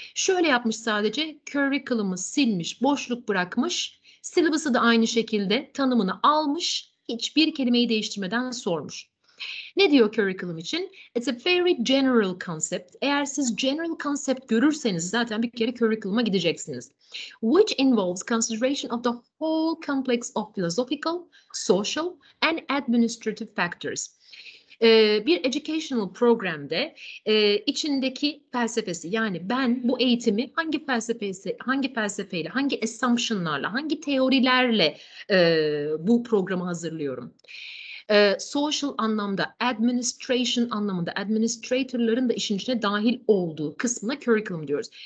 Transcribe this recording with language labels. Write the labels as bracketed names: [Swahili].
[Turkish] Şöyle yapmış sadece curriculum'u silmiş, boşluk bırakmış, syllabus'ı da aynı şekilde tanımını almış, hiçbir kelimeyi değiştirmeden sormuş. Ne diyor curriculum için? [English] It's a very general concept. [Turkish] Eğer siz general concept görürseniz zaten bir kere curriculum'a gideceksiniz. [English] Which involves consideration of the whole complex of philosophical, social and administrative factors. [Turkish] Bir educational programde içindeki felsefesi yani ben bu eğitimi hangi felsefeyle, hangi assumptionlarla, hangi teorilerle bu programı hazırlıyorum? Social anlamda, administration anlamında, administratorların da işin içine dahil olduğu kısmına curriculum diyoruz.